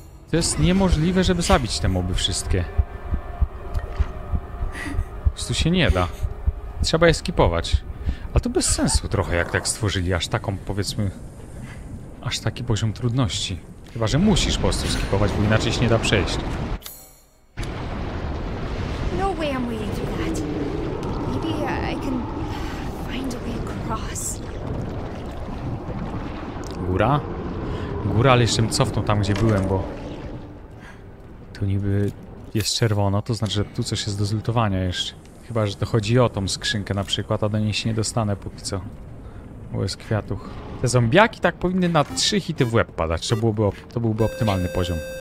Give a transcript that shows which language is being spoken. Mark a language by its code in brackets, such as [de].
[pl] To jest niemożliwe, żeby zabić te moby wszystkie. Tu się nie da. Trzeba je skipować. A to bez sensu trochę, jak tak stworzyli aż taką, powiedzmy, aż taki poziom trudności. Chyba że musisz po prostu skipować, bo inaczej się nie da przejść. [en] No way I'm waiting through that. Maybe I can find a way across. [pl] Góra? Góra, ale jeszcze bym cofnął tam, gdzie byłem, bo tu niby jest czerwono, to znaczy, że tu coś jest do zlutowania jeszcze. Chyba że to chodzi o tą skrzynkę na przykład, a do niej się nie dostanę póki co. Łez kwiatów. Te zombiaki tak powinny na 3 hity w łeb padać. To byłby optymalny poziom.